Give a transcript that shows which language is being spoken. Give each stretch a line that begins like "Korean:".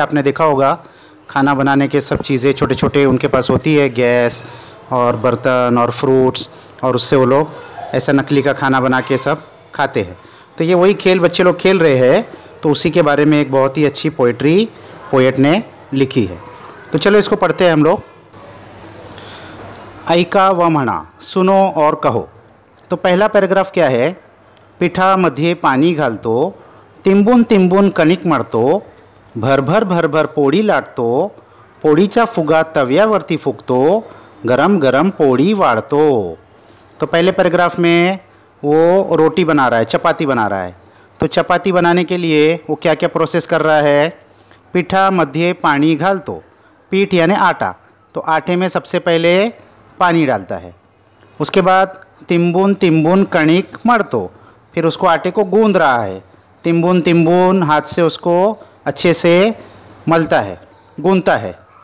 Hindi: आपने देखा होगा खाना बनाने के सब चीज़ें छोटे छोटे उनके पास होती है, गैस और बर्तन और फ्रूट्स, और उससे वो लोग ऐसा नकली का खाना बना के सब खाते हैं। तो ये वही खेल बच्चे लोग खेल रहे हैं, तो उसी के बारे में एक बहुत ही अच्छी पोएट्री पोएट ने लिखी है, तो चलो इसको पढ़ते हैं हम लोग।
Marathi: ऐका व म्हणा,
Hindi: सुनो और कहो। तो पहला पैराग्राफ क्या है,
Marathi: पिठा मध्ये पानी घालतो, तिंबून तिंबून कणिक मरतो, भरभर भरभर पोळी लाटतो, पोळीचा फुगा तव्यावरती फुकतो, गरम गरम पोळी वाढतो।
Hindi: तो पहले पैराग्राफ में वो रोटी बना रहा है, चपाती बना रहा है। तो चपाती बनाने के लिए वो क्या क्या प्रोसेस कर रहा है,
Marathi: पीठा मध्य पानी घाल तो,
Hindi: पीठ यानी आटा, तो आटे में सबसे पहले पानी डालता है, उसके बाद
Marathi: तिंबून तिंबून कणिक मर तो,
Hindi: फिर उसको आटे को गूंद रहा है, तिंबून तिंबून हाथ से उसको अच्छे से मलता है, गूंदता है,